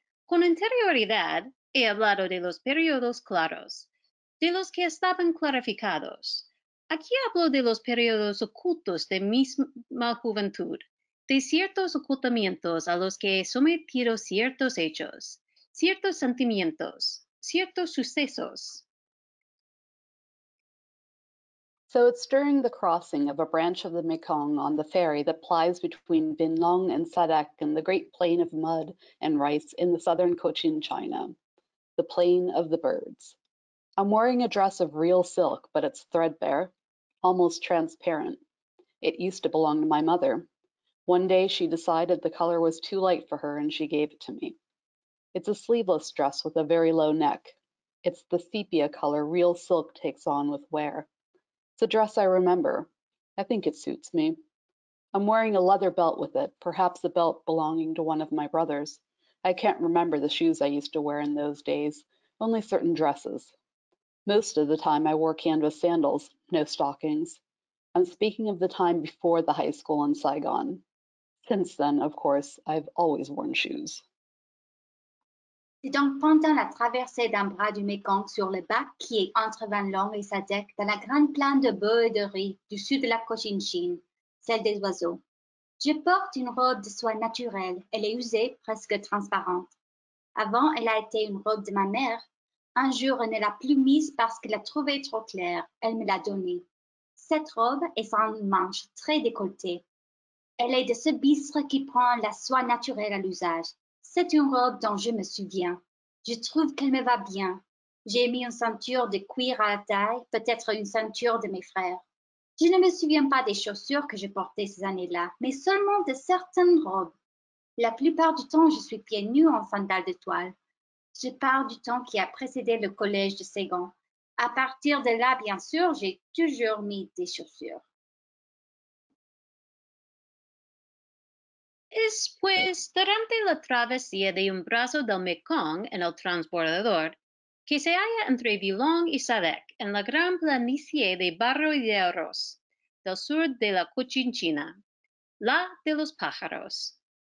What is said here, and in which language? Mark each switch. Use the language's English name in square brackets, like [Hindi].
[Spanish] Con anterioridad, he hablado de los periodos claros, de los que estaban clarificados. Aquí hablo de los periodos ocultos de mi misma juventud, de ciertos ocultamientos a los que he sometido ciertos hechos, ciertos sentimientos, ciertos sucesos. [English] So it's during the crossing of a branch of the Mekong on the ferry that plies between Binh Long and Sadak in the great plain of mud and rice in the southern Cochin China. The plain of the birds. I'm wearing a dress of real silk, but it's threadbare, almost transparent. It used to belong to my mother. One day she decided the color was too light for her and she gave it to me. It's a sleeveless dress with a very low neck. It's the sepia color real silk takes on with wear. It's a dress I remember. I think it suits me. I'm wearing a leather belt with it, perhaps a belt belonging to one of my brothers. I can't remember the shoes I used to wear in those days, only certain dresses. Most of the time I wore canvas sandals, no stockings. I'm speaking of the time before the high school in Saigon. Since then, of course, I've always worn shoes. [French] C'est donc pendant la traversée d'un bras du Mekong sur le bac qui est entre Van Long et Sadek dans la grande plaine de bœufs et de riz du sud de la Cochinchine, celle des oiseaux. Je porte une robe de soie naturelle. Elle est usée, presque transparente. Avant, elle a été une robe de ma mère. Un jour, elle ne l'a plus mise parce qu'elle l'a trouvée trop claire. Elle me l'a donnée. Cette robe est sans manche très décolletée. Elle est de ce bistre qui prend la soie naturelle à l'usage. C'est une robe dont je me souviens. Je trouve qu'elle me va bien. J'ai mis une ceinture de cuir à la taille, peut-être une ceinture de mes frères. Je ne me souviens pas des chaussures que j'ai portées ces années-là, mais seulement de certaines robes. La plupart du temps, je suis pieds nus en sandales de toile. Je pars du temps qui a précédé le collège de Saigon. À partir de là, bien sûr, j'ai toujours mis des chaussures. [Spanish] Es pues durante la travesía de un brazo del Mekong en el transbordador que se halla entre Bilong y Sadek en la gran planicie de barro y de arroz del sur de la Cochinchina, la de los pájaros.